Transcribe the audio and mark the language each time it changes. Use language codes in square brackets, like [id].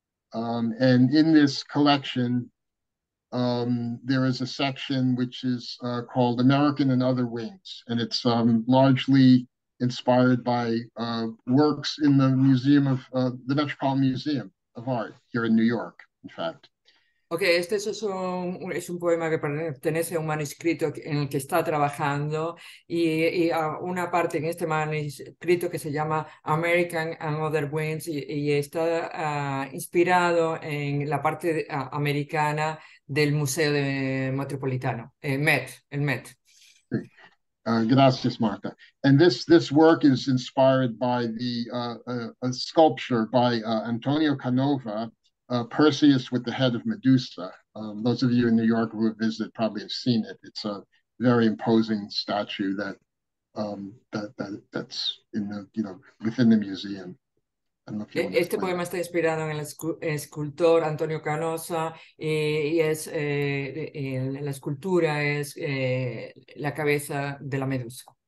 [en] And in this collection, there is a section which is called American and Other Wings. And it's largely inspired by works in the Museum of the Metropolitan Museum of Art here in New York, in fact. [es] Okay, este es un poema que pertenece a un manuscrito en el que está trabajando y a una parte en este manuscrito que se llama American and Other Winds y está inspirado en la parte americana del Museo de Metropolitano, el Met. Gracias, Marta. [en] And this work is inspired by the a sculpture by Antonio Canova, Perseus with the Head of Medusa. Those of you in New York who have visited probably have seen it. It's a very imposing statue that's in the within the museum. [es] Este poema está inspirado en el escultor Antonio Canosa y es la escultura es la cabeza de la medusa.